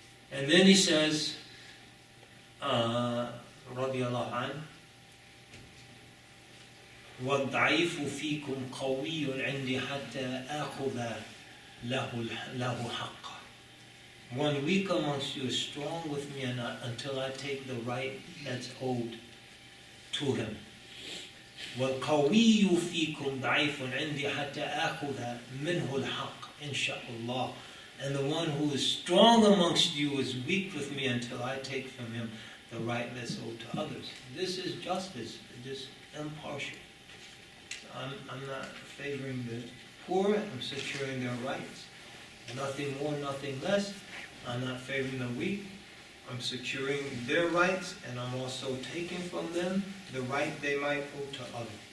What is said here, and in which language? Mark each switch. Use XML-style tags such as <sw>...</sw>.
<en>And then he says,</en> <ar>رضي الله عنه والضعيف فيكم قوي عندي حتى آخذ له حق.</ar> <en>One weak amongst you is strong with me and until I take the right that's owed to him.</en> <ar>والقوي فيكم ضعيف عندي حتى آخذ منه الحق إن شاء الله.</ar> <en>And the one who is strong amongst you is weak with me until I take from him the right that's owed to others. This is justice, just impartial. I'm not favoring the poor, I'm securing their rights. Nothing more, nothing less. I'm not favoring the weak, I'm securing their rights, and I'm also taking from them the right they might owe to others.</en>